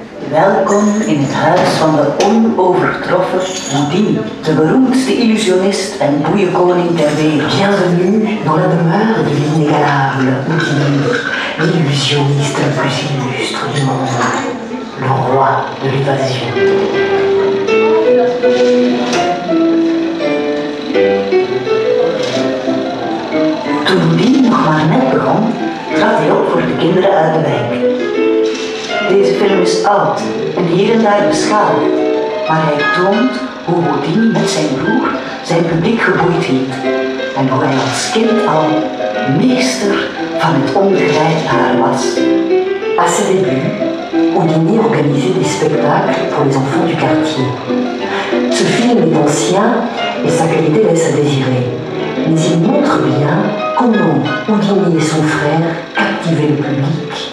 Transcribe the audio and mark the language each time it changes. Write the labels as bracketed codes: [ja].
[nl] welkom in het huis van de onovertroffen Houdini, de beroemdste illusionist en goede koning ter wereld. [fr] Bienvenue dans la demeure de l'inégalable Houdini, l'illusioniste le plus illustre du monde, le roi de l'évasion. [nl] Toen Houdini nog maar net begon, trad hij op voor de kinderen uit de wijk. Deze film is oud en hier en daar beschadigd, maar hij toont hoe Houdini met zijn broer zijn publiek geboeid hield en hoe hij als kind al meester van het onbegrijpbare was. [fr] À ses débuts, Houdini organisait des spectacles pour les enfants du quartier. Ce film est ancien et sa qualité laisse à désirer, mais il montre bien comment Houdini et son frère captivaient le public.